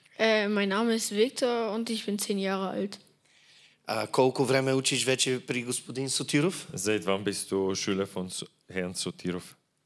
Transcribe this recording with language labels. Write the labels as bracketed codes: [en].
[de] Mein Name ist Viktor und ich bin 10 Jahre alt. [bg] Колко време учиш вече при господин Сотиров? [de] Seit wann bist du Schüler von Herrn Сотиров?